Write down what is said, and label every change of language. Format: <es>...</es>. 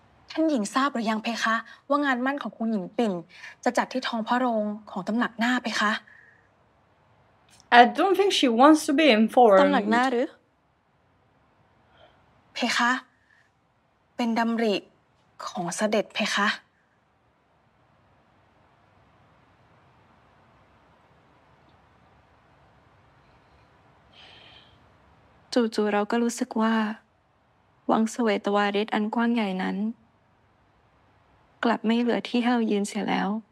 <th>ท่านหญิงทราบหรือยังเพคะว่างานมั่นของคุณหญิงปิ่นจะจัดที่ทองพระโรงของตำหนักหน้าเพคะ</th> <en>I don't think she wants to be informed.</en> <th>ตำหนักหน้าหรือ เพคะเป็นดำริของเสด็จเพคะ จู่ๆเราก็รู้สึกว่าวังเสวตวาริศอันกว้างใหญ่นั้นกลับไม่เหลือที่ให้เรายืนเสียแล้ว</th>